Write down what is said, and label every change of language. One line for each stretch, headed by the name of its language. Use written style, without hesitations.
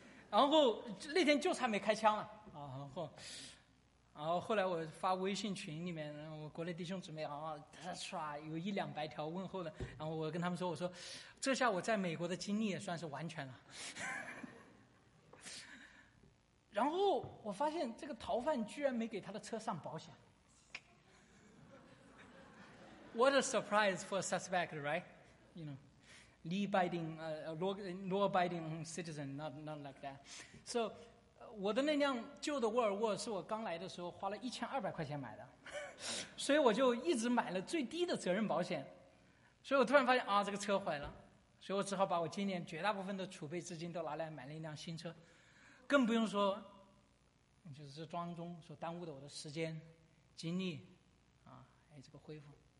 Chinese: 然后那天就差没开枪了，然后后来我发微信群里面，我国内弟兄姊妹有100-200条问候的，然后我跟他们说，我说这下我在美国的经历也算是完全了。然后我发现这个逃犯居然没给他的车上保险。
English: What a surprise for a suspect, right? You know,law-abiding citizen, not like that. So,
Chinese: 我的那辆旧的沃尔沃是我刚来的时候花了1200块钱买的，所以我就一直买了最低的责任保险。所以我突然发现这个车坏了，所以我只好把我今年绝大部分的储备资金都拿来买了一辆新车，更不用说，就是这当中所耽误的我的时间、精力，还有这个恢复。